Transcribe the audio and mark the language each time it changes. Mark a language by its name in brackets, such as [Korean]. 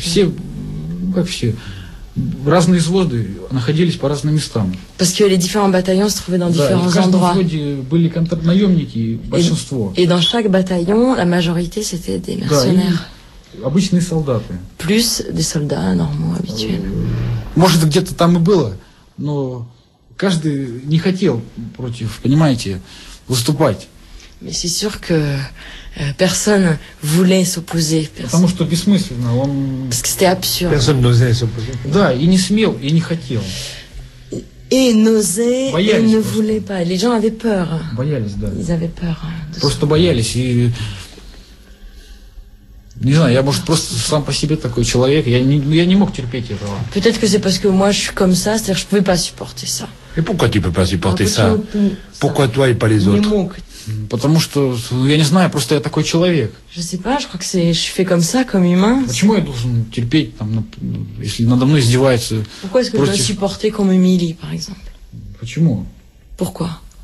[Russian] все как все разные взводы находились по разным местам. [French] Parce que les différents bataillons se trouvaient dans différents endroits. [Russian] В каждом взводе были контрнаёмники большинство. [French] Et dans chaque bataillon, la majorité c'était des mercenaires. [Russian] Обычные солдаты. [French] Plus des soldats normaux habituels. [Russian] Может где-то там и было. Но каждый не хотел против, понимаете, выступать. [French] Mais c'est sûr que personne voulait s'opposer. [Russian] Потому что бессмысленно. Он... [French] Parce que c'était absurde. Personne n'osait s'opposer. [Russian] Да, и не смел, и не хотел. [French] Et n'osait, [Russian] боялись, [French] et ne [Russian] просто. [French] Voulait pas. Les gens avaient peur. [Russian] Боялись, да. [French] Ils avaient peur. [Russian] Просто боялись, и... Не знаю, я может просто сам по себе такой человек, я не мог терпеть этого. [French] Peut-être que c'est parce que moi je suis comme ça, c'est-à-dire que je pouvais pas supporter ça. Et pourquoi tu peux pas supporter ça? Pourquoi toi et pas les autres? [Russian] Потому что я не знаю, просто я такой человек. [French] Je sais pas, je crois que c'est je fais comme ça comme humain. [Russian] Почему я должен терпеть там, если надо мной издеваются? [French] Pourquoi est-ce que je dois supporter qu'on m'humilie par exemple? [Russian] Почему? [French] Pourquoi?